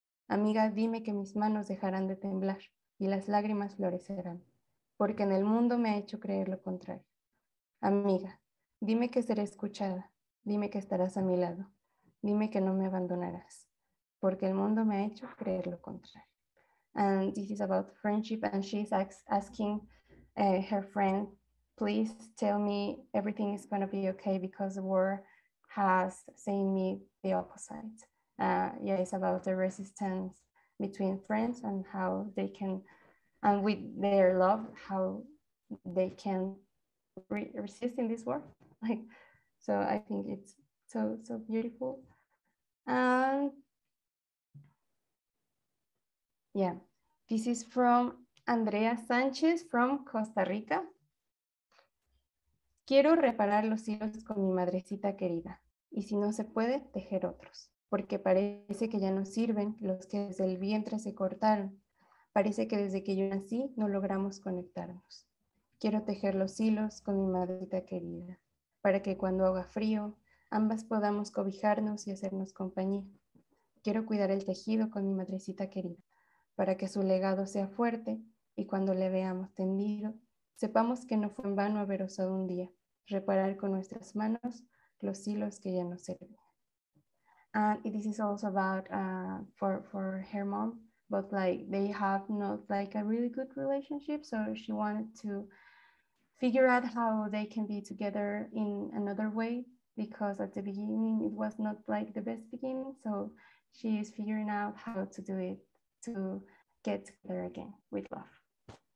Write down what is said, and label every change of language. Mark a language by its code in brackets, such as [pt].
[es] Amiga, dime que mis manos dejarán de temblar y las lágrimas florecerán, porque en el mundo me ha hecho creer lo contrario. Amiga, dime que seré escuchada, dime que estarás a mi lado, dime que no me abandonarás, porque el mundo me ha hecho creer lo contrario. [en] And this is about friendship, and she's asking her friend, please tell me everything is going to be okay because the war has seen me the opposite. It's about the resistance between friends and how they can, and with their love, how they can resist in this war. Like, so I think it's so beautiful. This is from Andrea Sánchez from Costa Rica. [es] Quiero reparar los hilos con mi madrecita querida. Y si no se puede, tejer otros. Porque parece que ya no sirven los que desde el vientre se cortaron. Parece que desde que yo nací no logramos conectarnos. Quiero tejer los hilos con mi madrecita querida. Para que cuando haga frío, ambas podamos cobijarnos y hacernos compañía. Quiero cuidar el tejido con mi madrecita querida, para que su legado sea fuerte y cuando le veamos tendido, sepamos que no fue en vano haber osado un día reparar con nuestras manos los hilos que ya no sirven. [en] And this is also about for her mom, but like they have not like a really good relationship, so she wanted to figure out how they can be together in another way, because at the beginning it was not like the best beginning, so she is figuring out how to do it to get together again with love.